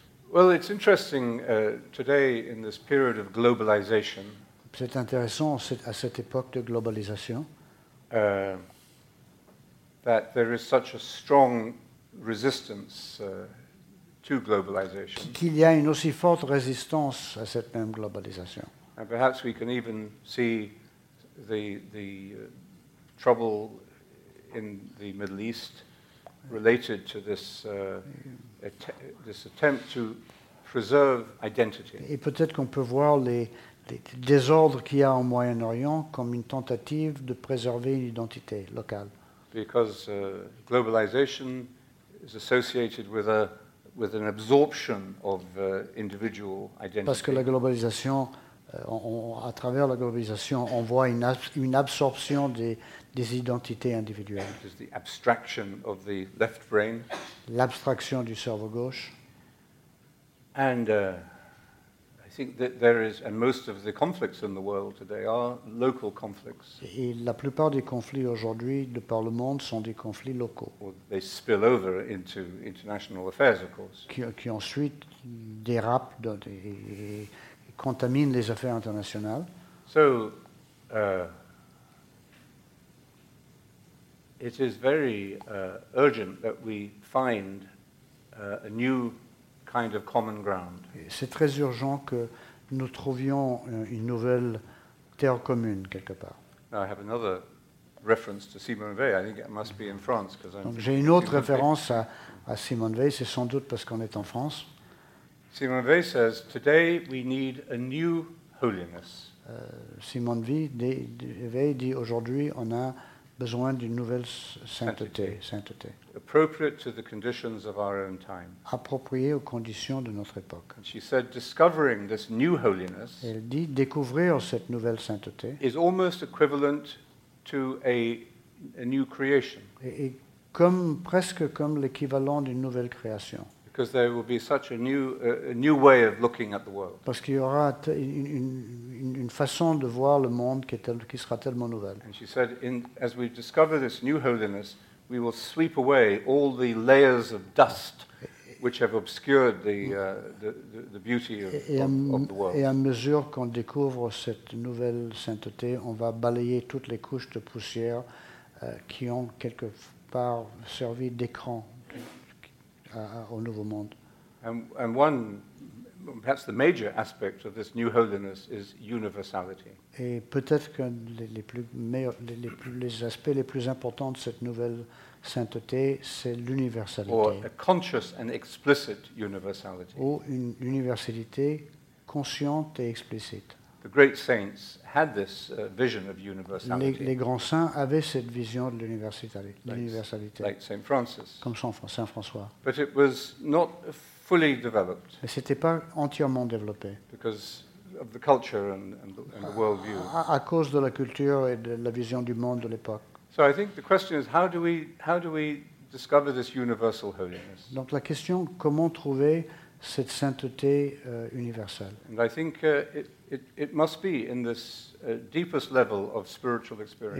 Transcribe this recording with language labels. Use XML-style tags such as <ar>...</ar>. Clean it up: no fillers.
<en>Well, it's interesting today in this period of globalization.</en> <fr>C'est intéressant à cette époque de globalisation.</fr> <en>That there is such a strong resistance to globalization.</en> <fr>Qu'il y a une aussi forte résistance à cette même globalisation.</fr> <en>And perhaps we can even see the trouble in the Middle East related to this attempt to preserve identity.</en> <fr>Et peut-être qu'on peut voir des désordres qu'il y a au Moyen-Orient comme une tentative de préserver une identité locale.</fr> <en>Because globalization is associated with a with an absorption of individual identity.</en> <fr>Parce que la globalisation, à travers la globalisation, on voit une absorption des identités individuelles.</fr> <en>It is the abstraction of the left brain.</en> <fr>L'abstraction du cerveau gauche.</fr> <en>And I think that there is, and most of the conflicts in the world today are local conflicts.</en> <fr>Et la plupart des conflits aujourd'hui de par le monde sont des conflits locaux.</fr> <en>Or they spill over into international affairs, of course.</en> <fr>Qui ensuite dérapent dans contamine les affaires internationales.</fr> <en>So, it is very urgent that we find a new kind of common ground.</en> <fr>C'est très urgent que nous trouvions une nouvelle terre commune quelque part.</fr> <en>Now I have another reference to Simone Weil. I think it must be in France because I'm.</en> <fr>Donc j'ai une autre référence à Simone Weil. C'est sans doute parce qu'on est en France.</fr> <en>Simone Weil says, "Today we need a new holiness."</en> <fr>Simone Weil dit, aujourd'hui, on a besoin d'une nouvelle sainteté.</fr> <en>Appropriate to the conditions of our own time.</en> <fr>Appropriée aux conditions de notre époque.</fr> <en>And she said, "Discovering this new holiness."</en> <fr>Elle dit, découvrir cette nouvelle sainteté.</fr> <en>Is almost equivalent to a new creation.</en> <fr>Et comme presque comme l'équivalent d'une nouvelle création.</fr> <en>Because there will be such a new way of looking at the world.</en> <fr>Parce qu'il y aura une façon de voir le monde qui sera tellement nouvelle.</fr> <en>And she said, as we discover this new holiness, we will sweep away all the layers of dust which have obscured the beauty of the world.</en> <fr>Et à mesure qu'on découvre cette nouvelle sainteté, on va balayer toutes les couches de poussière qui ont quelque part servi d'écran. Au nouveau monde.</fr> <en>And one, perhaps the major aspect of this new holiness is universality.</en> <fr>Et peut-être que les aspects les plus importants de cette nouvelle sainteté, c'est l'universalité.</fr> <en>Or a conscious and explicit universality.</en> <fr>Ou une universalité consciente et explicite.</fr> <en>The great saints had this vision of universality.</en> <fr>Les grands saints avaient cette vision de l'universalité.</fr> <en>Like Saint Francis.</en> <fr>Comme Saint François.</fr> <en>But it was not fully developed.</en> <fr>Mais c'était pas entièrement développé.</fr> <en>Because of the culture and the world view.</en> <fr>À cause de la culture et de la vision du monde de l'époque.</fr> <en>So I think the question is how do we discover this universal holiness?</en> <fr>Donc la question, comment trouver cette sainteté universelle?</fr> <en>And I think it must be in this deepest level of spiritual experience.</en>